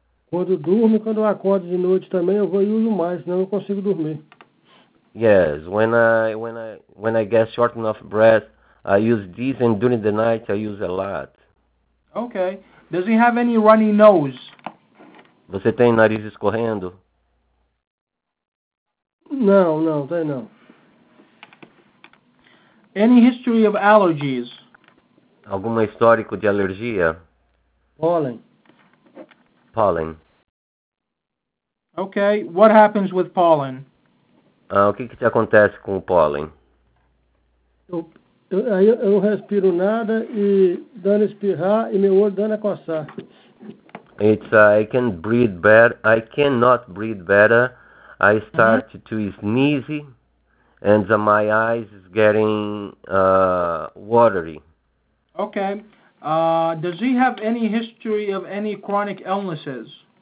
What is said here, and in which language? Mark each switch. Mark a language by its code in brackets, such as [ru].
[pt] Quando eu durmo, quando eu acordo de noite também, eu vou e uso mais, senão eu não consigo dormir. [en] Yes, when I get short enough breath, I use this, and during the night I use a lot. Okay. Does he have any runny nose? [pt] Você tem nariz escorrendo? Não, tem não. [en] Any history of allergies? [pt] Alguma histórico de alergia? [en] Pollen. Okay, what happens with pollen? [pt] O que acontece com o pólen? Eu não respiro nada e dando espirrar e meu olho dando a coçar. [en] I cannot breathe better. I start to sneeze and my eyes is getting watery. Okay. Does he have any history of any chronic illnesses?